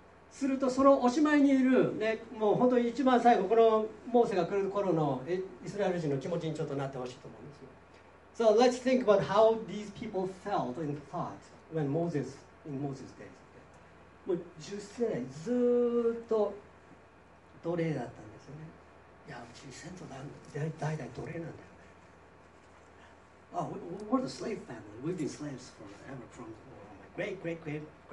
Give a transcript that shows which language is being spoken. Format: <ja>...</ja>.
<ja>するとそのおしまいにいる、ね、もう本当に一番最後このモーセが来る頃のイスラエル人の気持ちにちょっとなってほしいと思うんですよ。</ja> <en>So let's think about how these people felt and thought when Moses, in Moses' days.</en> <ja>もう10世代ずっと奴隷だったんですよね。いやうち先祖代々奴隷なんだよね。</ja> <en>Oh, we're the slave family. We've been slaves forever from my great-great-great-grandfather.</en>